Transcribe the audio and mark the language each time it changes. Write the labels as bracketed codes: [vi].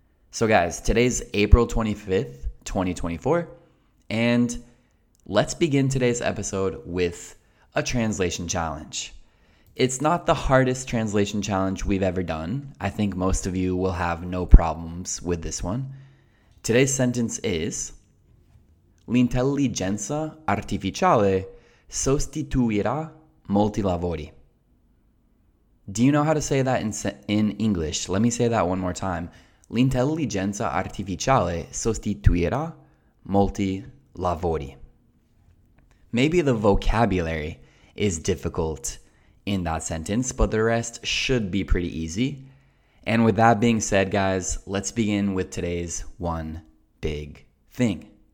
[en] So guys, today's April 25th, 2024, and let's begin today's episode with a translation challenge. It's not the hardest translation challenge we've ever done. I think most of you will have no problems with this one. Today's sentence is, [it] L'intelligenza artificiale sostituirà molti lavori. [en] Do you know how to say that in English? Let me say that one more time. [it] L'intelligenza artificiale sostituirà molti lavori. [en] Maybe the vocabulary is difficult in that sentence, but the rest should be pretty easy. And with that being said, guys, let's begin with today's one big thing.